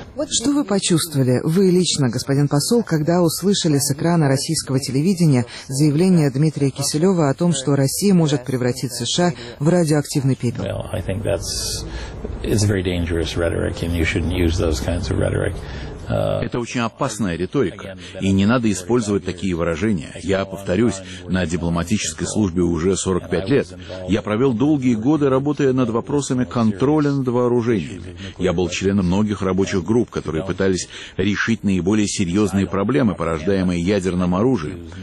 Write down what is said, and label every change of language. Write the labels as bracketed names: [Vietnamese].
[Russian] Что вы почувствовали, вы лично, господин посол, когда услышали с экрана российского телевидения заявление Дмитрия Киселева о том, что Россия может превратить США в радиоактивный пепел? [English] Well, I think it's very dangerous rhetoric, and you shouldn't use those kinds of rhetoric. [Russian] Это очень опасная риторика, и не надо использовать такие выражения. Я повторюсь, на дипломатической службе уже 45 лет. Я провел долгие годы, работая над вопросами контроля над вооружениями. Я был членом многих рабочих групп, которые пытались решить наиболее серьезные проблемы, порождаемые ядерным оружием.